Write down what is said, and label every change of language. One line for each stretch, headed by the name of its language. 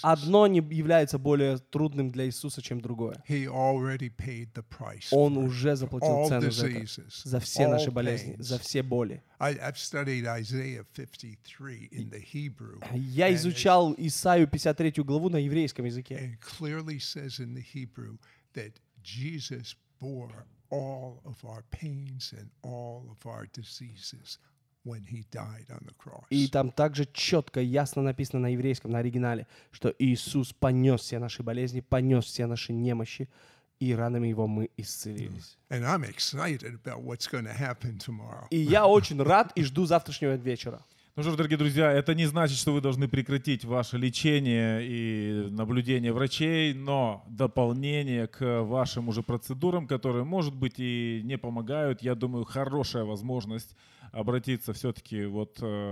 Russian: Одно не является более трудным для Иисуса, чем другое.
English: He already paid the price.
Russian: Он уже заплатил цену за это, за все
English: all
Russian: наши болезни, за все боли.
English: I've studied Isaiah 53 in the Hebrew.
Russian: Я изучал Исаию 53 главу на еврейском языке.
English: It clearly says in the Hebrew that Jesus bore all of our pains and all of our diseases when he died on the cross.
Russian: И там также четко, ясно написано на еврейском, на оригинале, что Иисус понес все наши болезни, понес все наши немощи, и ранами его мы исцелились.
English: And I'm excited about what's going to happen tomorrow.
Russian: И я очень рад и жду завтрашнего вечера. Ну что ж, дорогие друзья, это не значит, что вы должны прекратить ваше лечение и наблюдение врачей, но дополнение к вашим уже процедурам, которые, может быть, и не помогают, я думаю, хорошая возможность обратиться все-таки, вот,